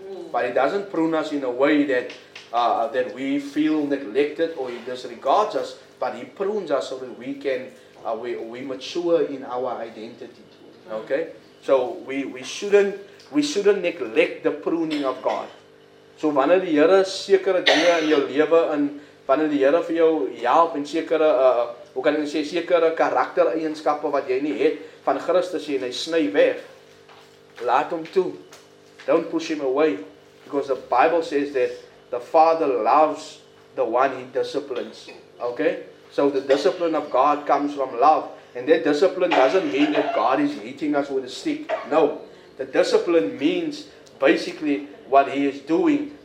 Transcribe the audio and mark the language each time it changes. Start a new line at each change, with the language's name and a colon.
English: But He doesn't prune us in a way that we feel neglected or He disregards us, but He prunes us so that we can we mature in our identity. Okay? So we shouldn't neglect the pruning of God.
Afrikaans: So wanneer die Here sekere dinge in jou lewe en wanneer die Here vir jou help en sekere hoe kan ek sê sekere karaktereienskappe wat jy nie het van Christus en hy sny weg, laat hom toe.
English: Don't push him away, because the Bible says that the Father loves the one He disciplines. Okay? So the discipline of God comes from love. And that discipline doesn't mean that God is hitting us with a stick. No. The discipline means basically what He is doing.